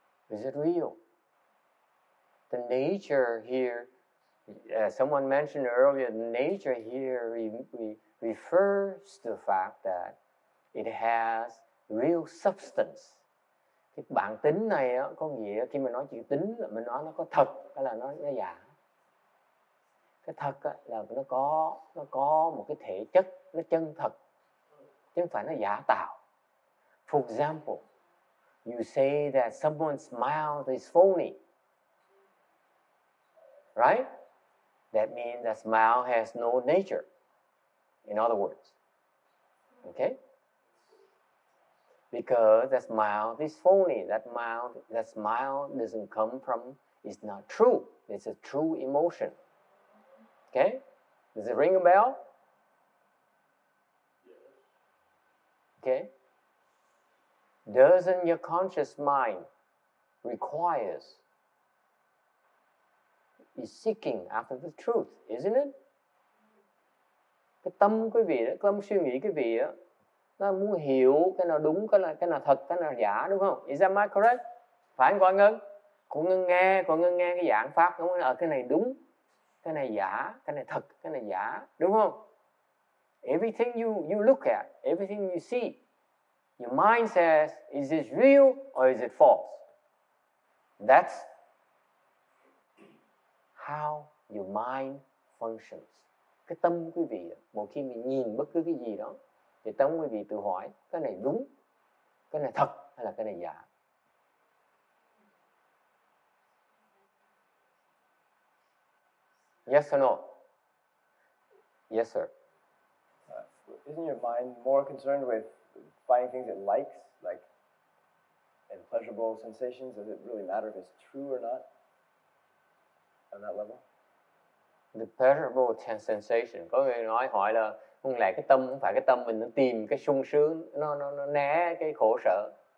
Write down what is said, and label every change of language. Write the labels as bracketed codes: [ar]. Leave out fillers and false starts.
[en] Is it real? The nature here, someone mentioned earlier, nature here refers to the fact that it has real substance. [vi] Cái bản tính này á, có nghĩa khi mà nói chữ tính là mình nói nó có thật hay là nó giả. Cái thật á, là nó có một cái thể chất, nó chân thật, chứ không phải nó giả tạo. [en] For example, you say that someone's mouth is phony, right? That means that smile has no nature, in other words, okay? Because that smile is phony, that smile doesn't come from, it's not true, it's a true emotion, okay? Does it ring a bell? Okay? Doesn't your conscious mind requires is seeking after the truth, isn't it? [vi] Cái tâm quý vị đó, tâm suy nghĩ quý vị á, nó muốn hiểu cái nào đúng, cái nào thật, cái nào giả, đúng không? [en] Is that my correct? [vi] Phải không, Quang Ngân nghe cái giảng pháp, đúng không? Ở cái này đúng, cái này giả, cái này thật, cái này giả, đúng không? [en] Everything you look at, everything you see, your mind says, is this real or is it false? That's how your mind functions. [vi] Cái tâm quý vị, một khi mình nhìn bất cứ cái gì đó, thì tâm quý vị tự hỏi, cái này đúng, cái này thật hay là cái này giả? [en] Yes or no? Yes, sir. Isn't your mind more concerned with finding things it likes, like and pleasurable sensations? Does it really matter if it's true or not? On that level? The pleasurable sensation. [vi] Có người nói hỏi là không lẽ cái tâm không phải cái tâm mình nó tìm cái sung sướng, nó né cái khổ sở.